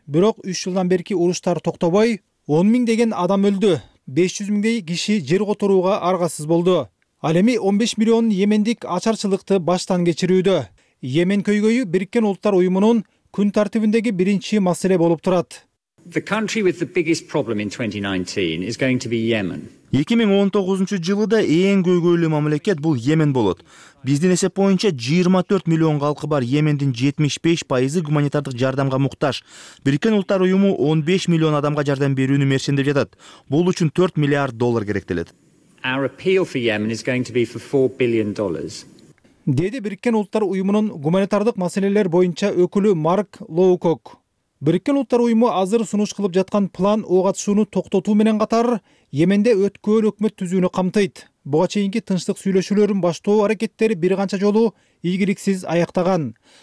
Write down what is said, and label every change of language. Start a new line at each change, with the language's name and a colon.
Kyrgyz: Бирок 3 жылдан берки уруштар токтобой, 10 миң деген адам өлдү. 500 миңдей киши жер которууга аргасыз болду. Ал эми 15 миллион йемендик ачарчылыкты баштан кечирүүдө. Йемен көйгөйү Бириккен Улуттар Уюмунун күн тартибиндеги биринчи маселе болуп турат.
English: The country with the biggest problem in 2019 is going to be Yemen.
Kyrgyz: 2019 жылыда эң көйгөйлүү мамлекет бул Йемен болот. Биздин эсеп боюнча 24 миллион калкы бар Йемендин 75% гуманитардык жардамга муктаж. Бириккен Улуттар Уюму 15 миллион адамга жардам берүүнү мерчендеп жатат. Бул үчүн 4 миллиард доллар керектелет.
English: Our appeal for Yemen is going to be for $4 billion.
Kyrgyz: Деди Бириккен Улуттар Уюмунун гуманитардык маселелер боюнча өкүлү Марк Лоукок. Бириккен Улуттар Уюму азыр сунуш кылып жаткан план оогатышууну токтотуу менен катар Йеменде өткөр өкмөт түзүүнү камтыйт. Буга чейинки тынчтык сүйлөшүүлөрүн баштоо аракеттери бир канча жолу ийгиликсиз аяктаган.